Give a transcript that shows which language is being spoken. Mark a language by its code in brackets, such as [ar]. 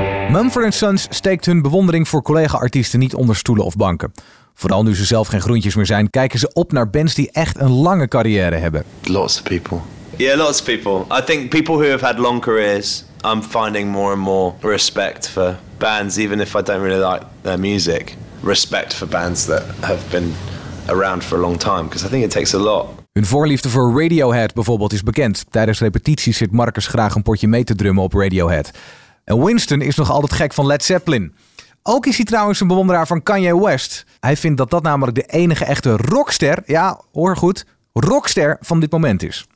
[nl] Mumford & Sons steekt hun bewondering voor collega-artiesten niet onder stoelen of banken. Vooral nu ze zelf geen groentjes meer zijn, kijken ze op naar bands die echt een lange carrière hebben. [en] Lots of people. Yeah, lots of people. I think people who have had long careers, I'm finding more and more respect for bands, even if I don't really like their music. Respect for bands that have been around for a long time, because I think it takes a lot. [nl] Hun voorliefde voor Radiohead bijvoorbeeld is bekend. Tijdens repetities zit Marcus graag een potje mee te drummen op Radiohead. En Winston is nog altijd gek van Led Zeppelin. Ook is hij trouwens een bewonderaar van Kanye West. Hij vindt dat namelijk de enige echte rockster, ja, hoor goed, rockster van dit moment is.